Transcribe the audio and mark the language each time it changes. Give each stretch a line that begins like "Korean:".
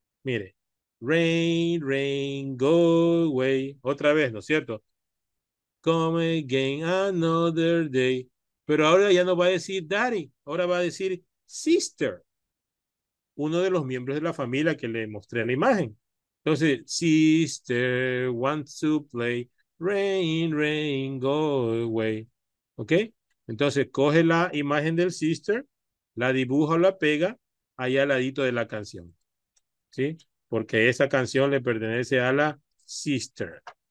Spanish: Mire.
English: Rain, rain, go away.
Spanish: Otra vez, ¿no es cierto?
English: Come again another day.
Spanish: Pero ahora ya no va a decir daddy. Ahora va a decir sister. Uno de los miembros de la familia que le mostré la imagen. Entonces,
English: sister wants to play. Rain, rain, go away. ¿Ok?
Spanish: Entonces, coge la imagen del sister, la dibuja o la pega ahí al ladito de la canción. ¿Sí? Porque esa canción le pertenece a la sister.